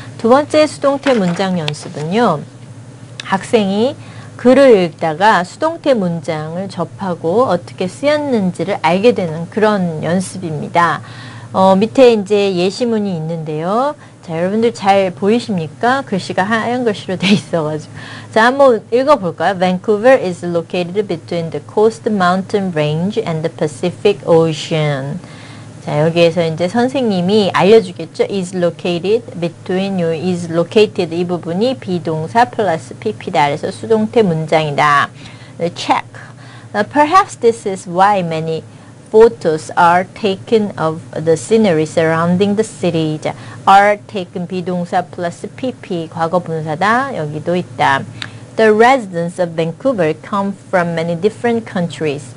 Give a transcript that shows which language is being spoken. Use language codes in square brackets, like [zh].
[ko] 두 번째 수동태 문장 연습은요. 학생이 글을 읽다가 수동태 문장을 접하고 어떻게 쓰였는지를 알게 되는 그런 연습입니다. 밑에 이제 예시문이 있는데요. 자, 여러분들 잘 보이십니까? 글씨가 하얀 글씨로 돼 있어가지고. 자, 한번 읽어볼까요? [en] Vancouver is located between the Coast Mountain Range and the Pacific Ocean. [ko] 자, 여기에서 이제 선생님이 알려주겠죠? [en] is located between you, is located [ko] 이 부분이 비동사 플러스 PP다. 그래서 수동태 문장이다. [en] Check. Now, perhaps this is why many photos are taken of the scenery surrounding the city. [ko] 자, [en] are taken, [ko] 비동사 플러스 PP, 과거 분사다. 여기도 있다. [en] The residents of Vancouver come from many different countries.